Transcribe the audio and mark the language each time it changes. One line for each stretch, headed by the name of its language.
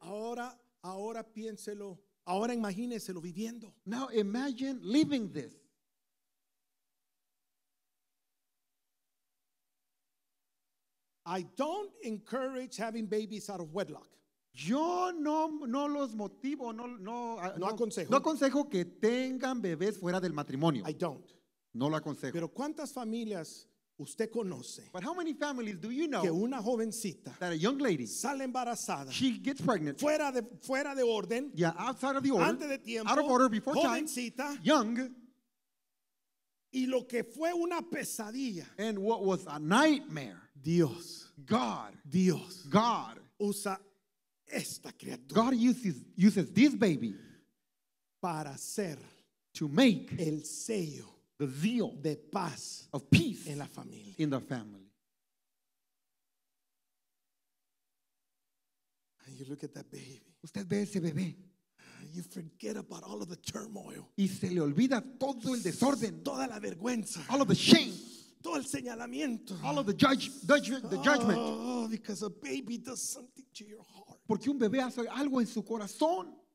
Spanish: Ahora piénselo. Ahora imagínese lo viviendo.
English: Now imagine living this. I don't encourage having babies out of wedlock.
Spanish: Yo no los motivo, no aconsejo. No aconsejo que tengan bebés fuera del matrimonio.
English: I don't.
Spanish: No lo aconsejo. Pero ¿cuántas familias usted conoce?
English: But how many families do you know?
Spanish: Que una jovencita,
English: that a young lady,
Spanish: sale embarazada,
English: she gets pregnant,
Spanish: fuera de orden,
English: yeah, outside of the order,
Spanish: antes de tiempo,
English: out of order, before
Spanish: jovencita,
English: time, young,
Spanish: y lo que fue una pesadilla,
English: and what was a nightmare,
Spanish: Dios,
English: God,
Spanish: Dios,
English: God,
Spanish: usa esta criatura,
English: God uses this baby,
Spanish: para ser,
English: to make,
Spanish: el sello.
English: The zeal
Spanish: de paz
English: of peace
Spanish: en la familia.
English: In the family. And you look at that baby.
Spanish: Usted ve ese bebé.
English: You forget about all of the turmoil.
Spanish: Y se le olvida todo el desorden. Toda la vergüenza.
English: All of the shame.
Spanish: Todo el señalamiento.
English: All of the judgment. Oh, because a baby does something to your heart.
Spanish: Porque un bebé hace algo en su corazón.